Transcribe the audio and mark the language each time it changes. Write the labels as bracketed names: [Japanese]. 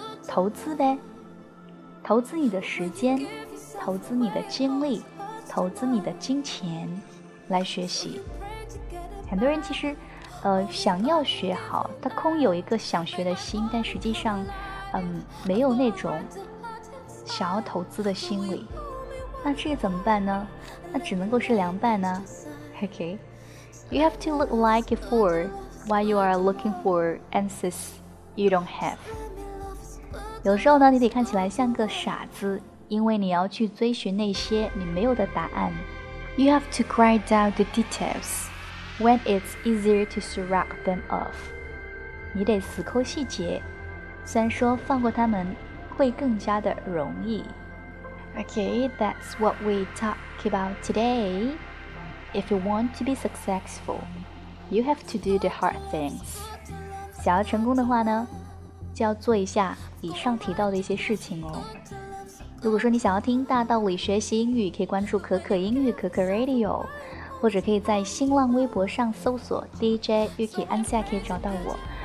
[Chinese] 投资呗，投资你的时间，投资你的精力，投资你的金钱来学习。很多人其实，想要学好，他空有一个想学的心，但实际上，没有那种想要投资的心理。那这个怎么办呢？那只能够是凉拌呢。 [English] Okay, you have to look like a fool while you are looking for answers you don't have. [Chinese] 有时候呢，你得看起来像个傻子，因为你要去追寻那些你没有的答案。 [English] You have to grind out the details when it's easier to shrug them off. [Chinese] 你得死抠细节，虽然说放过他们会更加的容易。 [English] Okay, that's what we talk about today. If you want to be successful, you have to do the hard things. [Chinese] 想要成功的话呢，就要做一下以上提到的一些事情哦。如果说你想要听大道理学习英语，可以关注可可英语可可 Radio， 或者可以在新浪微博上搜索 DJ Yuki 安夏，可以找到我。